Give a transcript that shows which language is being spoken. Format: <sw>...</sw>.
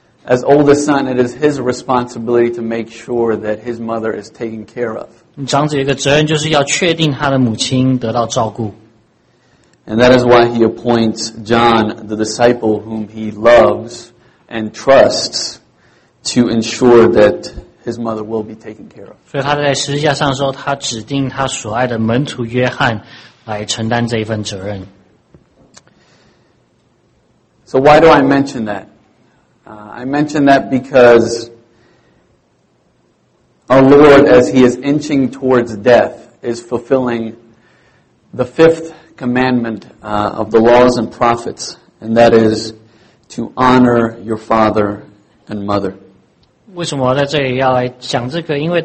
<en>As oldest son, it is his responsibility to make sure that his mother is taken care of.</en> <zh>长子一个责任, 就是要确定他的母亲得到照顾。</zh> <en>And that is why he appoints John, the disciple whom he loves and trusts, to ensure that his mother will be taken care of.</en> <zh>所以他在十字架上说, 他指定他所爱的门徒约翰, 来承担这一份责任。</zh> <en>So why do I mention that? I mention that because our Lord, as he is inching towards death, is fulfilling the fifth commandment of the laws and prophets, and that is to honor your father and mother.</en> <zh>为什么我在这里要来讲这个?</zh>